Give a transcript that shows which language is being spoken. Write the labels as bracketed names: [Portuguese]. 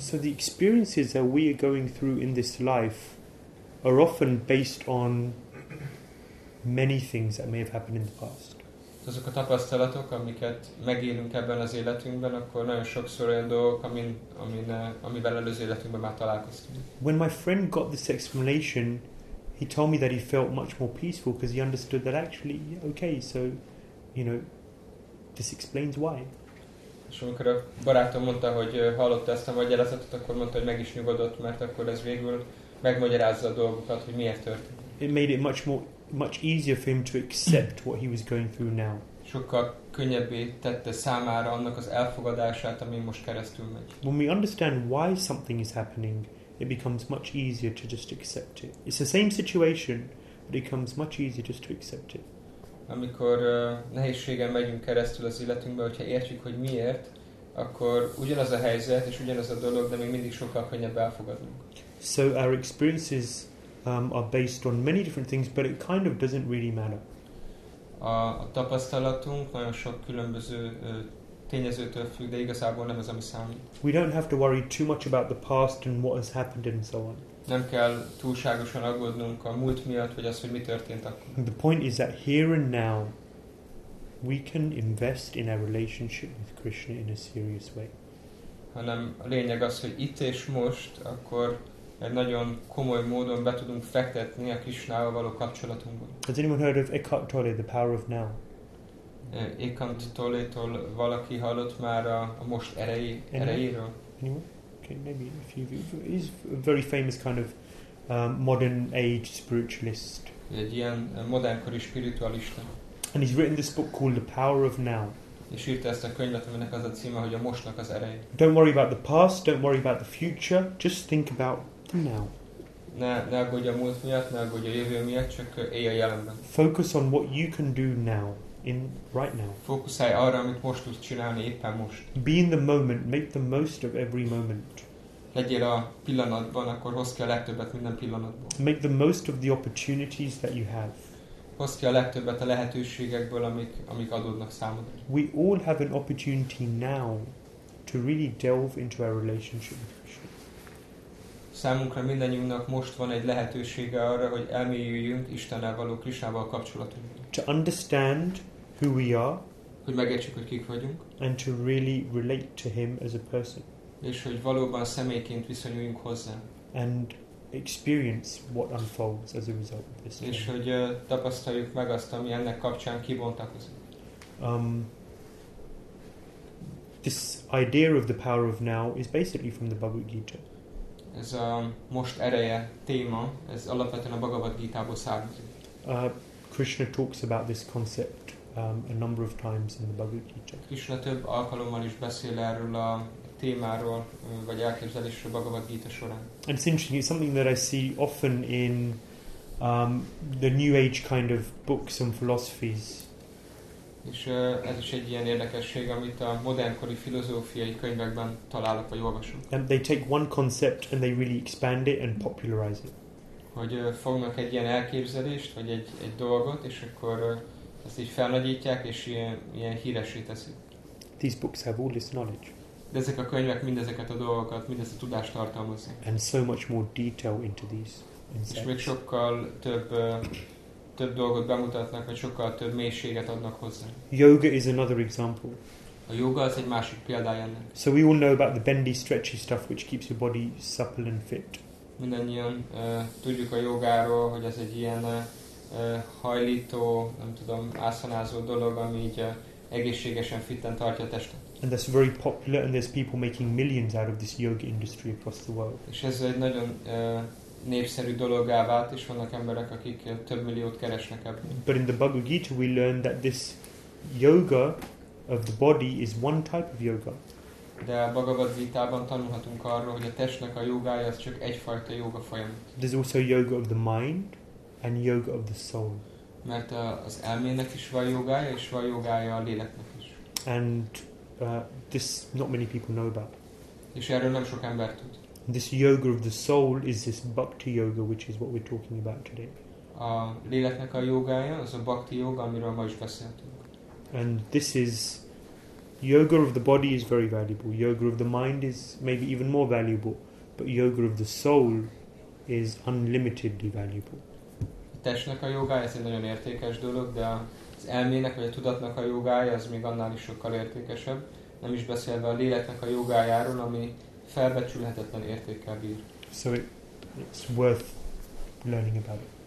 [English] So the experiences that we are going through in this life are often based on many things that may have happened in the past. [Hungarian] Azok a tapasztalatok, amiket megélünk ebben az életünkben, akkor nagyon sokszor olyan dolgok, amivel előző életünkben már találkoztunk. [English] When my friend got this explanation, he told me that he felt much more peaceful because he understood that actually, okay, so, this explains why. [Hungarian] És amikor a barátom mondta, hogy hallotta ezt a magyarázatot, akkor mondta, hogy meg is nyugodott, mert akkor ez végül megmagyarázza a dolgokat, hogy miért történt. [English] It made it much easier for him to accept what he was going through now. [Hungarian] Sokkal könnyebbé tette számára annak az elfogadását, ami most keresztül megy. [English] When we understand why something is happening, it becomes much easier to just accept it. It's the same situation, but it becomes much easier just to accept it. [Hungarian] Amikor nehézségen megyünk keresztül az életünkben, hogyha értjük, hogy miért, akkor ugyanaz a helyzet és ugyanaz a dolog, de még mindig sokkal könnyebb elfogadnunk. [English] So our experiences are based on many different things, but it kind of doesn't really matter. [Hungarian] A tapasztalatunk nagyon sok különböző tényezőtől függ, de igazából nem ez, ami számít. [English] We don't have to worry too much about the past and what has happened and so on. [Hungarian] Nem kell túlságosan aggódnunk a múlt miatt, vagy az, hogy mi történt akkor. [English] The point is that here and now, we can invest in our relationship with Krishna in a serious way. [Hungarian] Hanem a lényeg az, hogy itt és most, akkor egy nagyon komoly módon be tudunk fektetni a Krishnával való kapcsolatunkban. [English] Has anyone heard of Eckhart Tolle, the power of now? [Hungarian] Eckhart Tolle-tól valaki hallott már a most erejéről? [English] Okay, maybe a few of you. He's a very famous kind of modern age spiritualist. [Hungarian] Egy ilyen modernkori spiritualista. [English] And he's written this book called The Power of Now. [Hungarian] És írta ezt a könyvet, aminek az a címe, hogy a mostnak az ereje. [English] Don't worry about the past, don't worry about the future, just think about the now. [Hungarian] Ne aggódj a múlt miatt, ne aggódj a jövő miatt, csak élj a jelenben. [English] Focus on what you can do now, in right now. [Hungarian] Fókuszálj arra, amit most tudsz csinálni, éppen most. [English] Be in the moment, make the most of every moment. [Hungarian] Legyél a pillanatban, akkor hozd ki a legtöbbet minden pillanatból. [English] Make the most of the opportunities that you have. [Hungarian] Hozd ki a legtöbbet a lehetőségekből, amik adódnak számodra. [English] We all have an opportunity now to really delve into our relationship with Krishna. [Hungarian] Számunkra mindannyiunknak most van egy lehetősége arra, hogy elmélyüljünk Istennel való Krishnával kapcsolatunk. [English] To understand who we are. [Hungarian] Hogy megértsük, hogy kik vagyunk. [English] And to really relate to him as a person. [Hungarian] És hogy valóban személyként viszonyuljunk hozzá. [English] And experience what unfolds as a result of this. [Hungarian] És hogy tapasztaljuk meg azt, ami ennek kapcsán kibontakozik. [English] This idea of the power of now is basically from the Bhagavad Gita. [Hungarian] Ez a most ereje téma, ez alapvetően a Bhagavad Gita-ból származik. [English] Krishna talks about this concept a number of times in the Bhagavad Gita. [Hungarian] Krishna több alkalommal is beszél erről a témáról, vagy elképzelésről Bhagavad Gita során. [English] And it's interesting, it's something that I see often in the New Age kind of books and philosophies. [Hungarian] És ez is egy ilyen érdekesség, amit a modernkori filozófiai könyvekben találok, vagy olvasom. [English] And they take one concept and they really expand it and popularize it. [Hungarian] Hogy fognak egy ilyen elképzelést, vagy egy dolgot, és akkor ezt így felnagyítják, és ilyen híressé teszik. [English] These books have all this knowledge. [Hungarian] De ezek a könyvek mindezeket a dolgokat, mindezt a tudást tartalmazni. [English] And so much more detail into these. [Hungarian] És még sokkal több dolgot bemutatnak, vagy sokkal több mélységet adnak hozzá. [English] Yoga is another example. [Hungarian] A yoga az egy másik példája ennek. [English] So we all know about the bendy, stretchy stuff, which keeps your body supple and fit. [Hungarian] Mindannyian tudjuk a jogáról, hogy ez egy ilyen hajlító, nem tudom, ászanázó dolog, ami így egészségesen fitten tartja a testet. [English] And that's very popular, and there's people making millions out of this yoga industry across the world. [Hungarian] És ez egy nagyon népszerű dologgá vált, és vannak emberek, akik több milliót keresnek ebben. [English] But in the Bhagavad Gita we learn that this yoga of the body is one type of yoga. [Hungarian] De a Bhagavad Gita-ban tanulhatunk arról, hogy a testnek a jogája az csak egyfajta joga folyamat. [English] There's also yoga of the mind and yoga of the soul. [Hungarian] Mert az elmének is van jogája, és van jogája a léleknek is. [English] And this not many people know about. [Hungarian] És erről nem sok ember tud. [English] This yoga of the soul is this bhakti yoga, which is what we're talking about today. [Hungarian] A léleknek a jogája, az a bhakti yoga, amiről ma is beszéltünk. [English] And this is yoga of the body is very valuable. Yoga of the mind is maybe even more valuable, but yoga of the soul is unlimitedly valuable. [Hungarian] A testnek a jogája ez egy nagyon értékes dolog, de az elmének vagy a tudatnak a jogája az még annál is sokkal értékesebb. Nem is beszélve a léleknek a jogájáról, ami felbecsülhetetlen értékkel bír. [English] So it's worth learning about it.